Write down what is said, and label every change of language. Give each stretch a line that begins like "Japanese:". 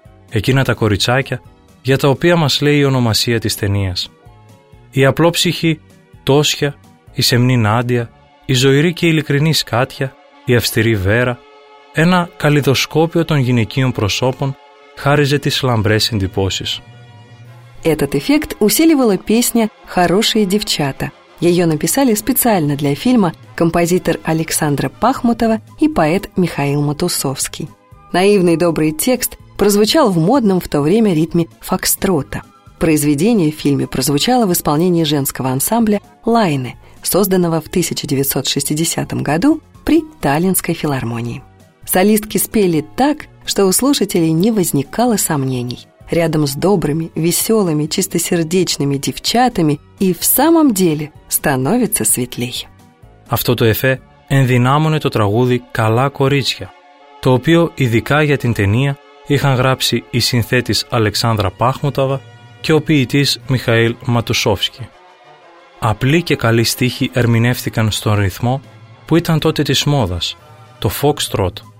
Greek: Εκείνα τα κοριτσάκια για τα οποία μας λέει η ονομασία της ταινίας. Η απλόψυχη Τόσια, η σεμνή Νάντια, η ζωηρή και ειλικρινή Σκάτια, η αυστηρή Βέρα, ένα καλλιδοσκόπιο των γυναικείων προσώπων χάριζε τις λαμπρές εντυπώσεις.
Russian: Этот эффект усиливала песня «Хорошие девчата». Ее написали специально для фильма композитор Александра Пахмутова и поэт Михаил Матусовский. Наивный добрый текст прозвучал в модном в то время ритме фокстрота. Произведение в фильме прозвучало в исполнении женского ансамбля «Лайны», созданного в 1960 году при Таллинской филармонии. Солистки спели так, что у слушателей не возникало сомнений. Рядом с добрыми, веселыми, чистосердечными девчатами и в самом деле становится светлей.
Greek: Αυτό το εφέ ενδυνάμωνε το τραγούδι «Καλά κορίτσια», το οποίο ειδικά για την ταινία είχαν γράψει η συνθέτης Αλεξάνδρα Πάχμουταβα και ο ποιητής Μιχαήλ Ματουσόφσκι. Απλοί και καλοί στίχοι ερμηνεύτηκαν στον ρυθμό που ήταν τότε της μόδας, το Foxtrot.